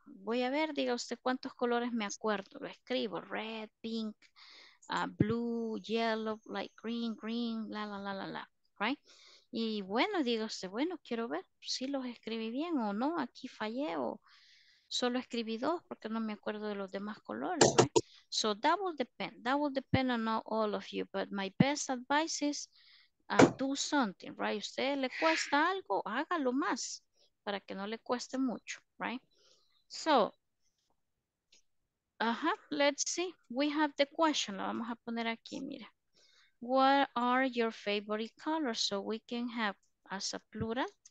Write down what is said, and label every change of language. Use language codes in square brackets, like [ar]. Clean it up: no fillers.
[es] voy a ver, diga usted cuántos colores me acuerdo. Lo escribo, [en] red, pink, blue, yellow, light green, green, [es] la, la, la, la, la, right? Y bueno, diga usted, bueno, quiero ver si los escribí bien o no, aquí fallé o solo escribí dos porque no me acuerdo de los demás colores, right? [en] So that will depend on not all of you, but my best advice is do something, right? [es] Usted le cuesta algo, hágalo más para que no le cueste mucho, right? [en] So, let's see, we have the question, [es] lo vamos a poner aquí, mira. [en] What are your favorite colors? So we can have as a plural.